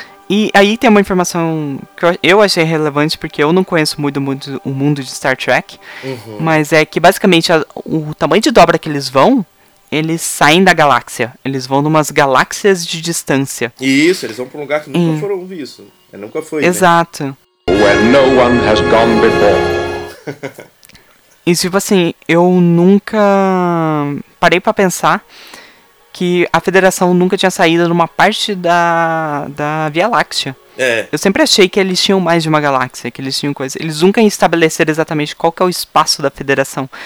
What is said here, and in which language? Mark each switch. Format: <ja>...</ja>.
<pt>E aí tem uma informação que eu achei relevante, porque eu não conheço muito o mundo de Star Trek. Uhum. Mas é que basicamente o tamanho de dobra que eles vão, eles saem da galáxia. Eles vão numas galáxias de distância. Isso, eles vão pra um lugar que nunca foram visto. Nunca foi. Exato. Né?</pt> <en>Where no one has gone before.</en> <pt>E, tipo assim, eu nunca parei pra pensar que a Federação nunca tinha saído numa parte da Via Láctea. É. Eu sempre achei que eles tinham mais de uma galáxia, que eles tinham coisa. Eles nunca estabeleceram exatamente qual que é o espaço da Federação.</pt>